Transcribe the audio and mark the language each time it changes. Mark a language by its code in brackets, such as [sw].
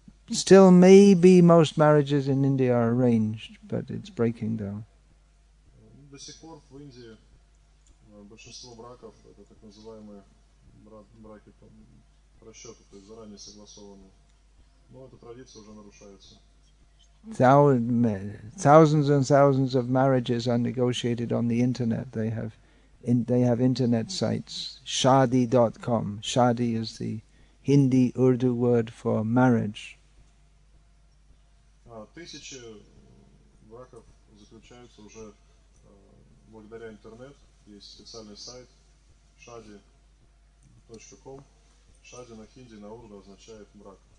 [en] Still, maybe most marriages in India are arranged, but it's breaking down. [ru] До сих пор в Индии большинство браков это так называемые браки по расчету, то есть заранее согласованные. Но эта традиция уже нарушается. [en] Thousands and thousands of marriages are negotiated on the internet. They have they have internet sites, shadi.com. Shadi is the Hindi Urdu word for marriage. [ru] Тысячи браков заключаются уже благодаря интернету. Есть специальный сайт shadi.com. Shadi на хинди, на урду означает брак.